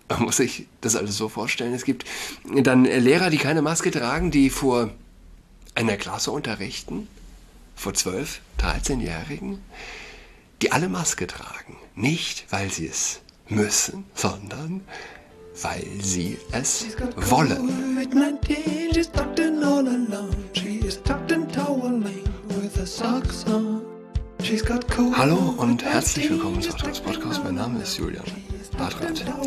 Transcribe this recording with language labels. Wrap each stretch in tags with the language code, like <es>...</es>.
<de>Man muss sich das alles so vorstellen. Es gibt dann Lehrer, die keine Maske tragen, die vor einer Klasse unterrichten, vor 12, 13-Jährigen, die alle Maske tragen. Nicht, weil sie es müssen, sondern weil sie es</de> <en>She's got</en> <de>wollen.</de> <en>COVID-19, she's tucked in all alone. She is tucked in toweling with her socks on. She's got</en> <de>Hallo und herzlich willkommen zu Hartraths Podcast. Mein Name ist Julian Hartrath.</de>